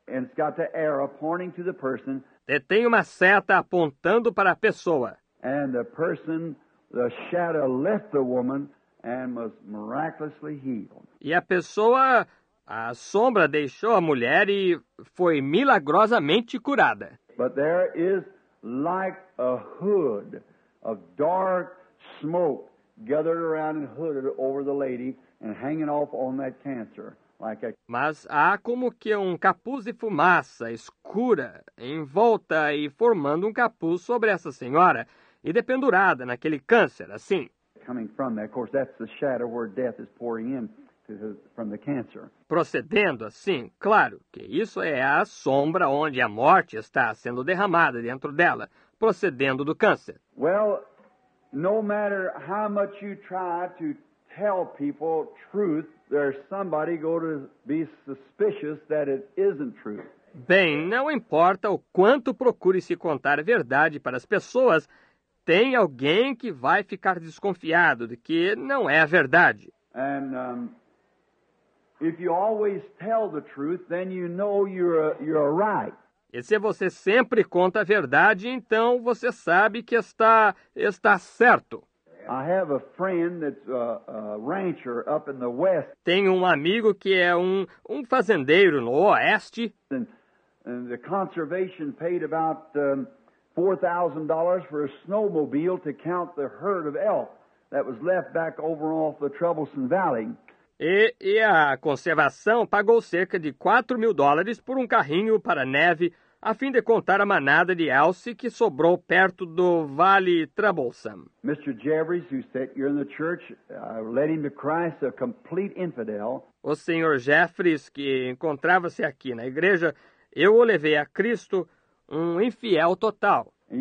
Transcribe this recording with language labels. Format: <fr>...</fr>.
<en>And it's got the arrow pointing to the person.</en> <pt>E tem uma seta apontando para a pessoa.</pt> <en>And the person, the shadow left the woman and was miraculously healed.</en> <pt>E a pessoa, a sombra deixou a mulher e foi milagrosamente curada.</pt> <en>But there is like a hood of dark smoke gathered around and hooded over the lady and hanging off on that cancer. Like a...</en> <pt>Mas há como que um capuz de fumaça escura em volta e formando um capuz sobre essa senhora e dependurada naquele câncer, assim.</pt> <en>Coming from that, of course, that's the shadow where death is pouring in to his, from the cancer.</en> <pt>Procedendo assim, claro que isso é a sombra onde a morte está sendo derramada dentro dela, procedendo do câncer.</pt> <en>Well, no matter how much you try to tell people truth, there's somebody going to be suspicious that it isn't truth.</en> <pt>Bem, não importa o quanto procure se contar a verdade para as pessoas, tem alguém que vai ficar desconfiado de que não é a verdade.</pt> <en>And, if you always tell the truth, then you know you're right.</en> <pt>E se você sempre conta a verdade, então você sabe que está certo.</pt> <en>I have a friend that's a rancher up in the west.</en> <pt>Tenho um amigo que é um fazendeiro no oeste.</pt> <en>And the conservation paid about $4,000 for a snowmobile to count the herd of elk that was left back over off the Troublesome Valley.</en> <pt>E a conservação pagou cerca de $4,000 por um carrinho para neve a fim de contar a manada de Elsie que sobrou perto do Vale Troublesome.</pt> <en>Mr. Jeffries, you said you're in the church, leading to Christ, a complete infidel.</en> <pt>O Sr. Jeffries, que encontrava-se aqui na igreja, eu o levei a Cristo, um infiel total.</pt>